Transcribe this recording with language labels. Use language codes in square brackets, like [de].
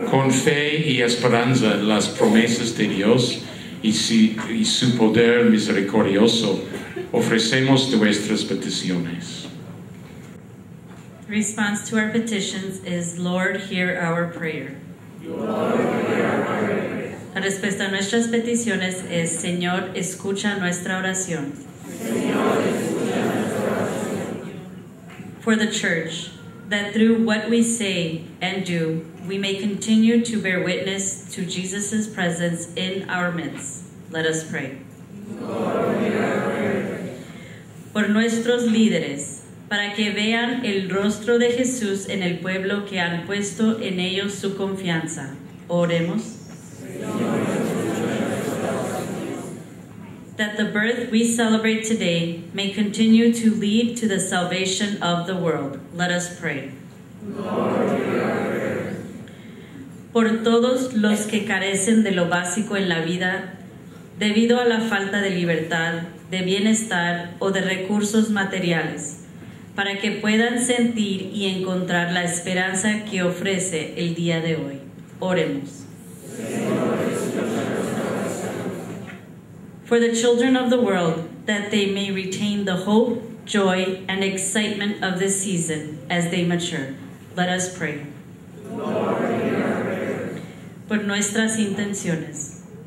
[es] fe y esperanza las promesas de Dios y su poder misericordioso, ofrecemos nuestras peticiones. [en] Response to our petitions is, Lord, hear our prayer. Lord, hear our prayer. [es] La respuesta a nuestras peticiones es, Señor, escucha nuestra oración. Señor, escucha nuestra oración. [en] For the church, that through what we say and do, we may continue to bear witness to Jesus' presence in our midst. Let us pray. Lord, hear our prayer. [es] Por nuestros líderes, para que vean el rostro de Jesús en el pueblo que han puesto en ellos su confianza. Oremos. [en] That the birth we celebrate today may continue to lead to the salvation of the world. Let us pray. [es] Por todos los que carecen de lo básico en la vida, debido a la falta de libertad, de bienestar o de recursos materiales, para que puedan sentir y encontrar la esperanza que ofrece el día de hoy. Oremos. [en] For the children of the world, that they may retain the hope, joy, and excitement of this season as they mature. Let us pray. [es] Por nuestras intenciones.